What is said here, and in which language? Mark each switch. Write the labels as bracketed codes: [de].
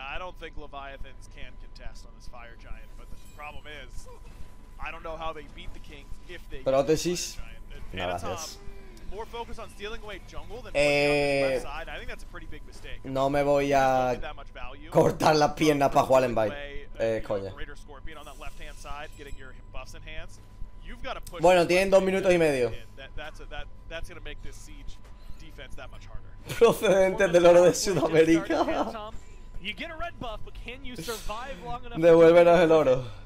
[en] I don't think Leviathans can contest on this Fire Giant, but the problem is I don't know how they beat the King if they [es] prótesis. No, gracias. [en] More focus on stealing away jungle than playing on the left side. I think that's a pretty big mistake. [es] No me voy a cortar las piernas para jugar en bait. Coño. [en] Raider Scorpion on that left hand side getting your buffs enhanced. You've got to push. [es] Bueno, tienen 2 minutos y medio. [en] That's going to make this siege defense that much harder. [es] Procedentes del oro de Sudamérica. [en] You get a red buff, but can you survive long enough? [es] Devuélvenos el oro.